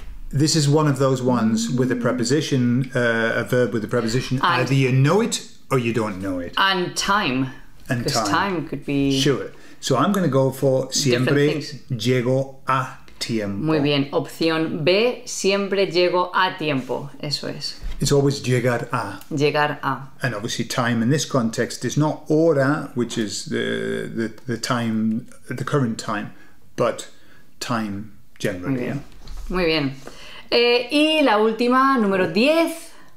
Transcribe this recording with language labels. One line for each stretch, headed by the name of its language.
English: This is one of those ones with a preposition, a verb with a preposition. And either you know it or you don't know it. And time. And time. Because time could be... Sure. So I'm going to go for
Spanish: siempre llego a tiempo. Muy bien. Opción B, siempre llego a tiempo. Eso es.
English: It's always llegar a.
Spanish: Llegar a.
English: And obviously time in this context is not hora, which is the time, the current time, but time generally.
Spanish: Muy bien. Muy bien. Y la última, número 10.